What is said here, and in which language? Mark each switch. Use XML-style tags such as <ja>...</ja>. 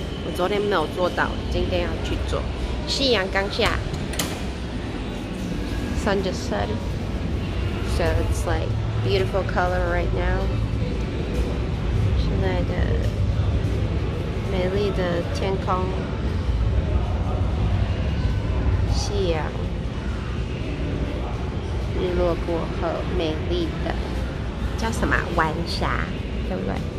<zh>我昨天没有做到，今天要去做。夕阳刚下。</zh> <en>Sun just set, so it's like beautiful color right now.</en> <zh>现在的美丽的天空，夕阳日落过后，美丽的叫什么晚霞，对不对？</zh>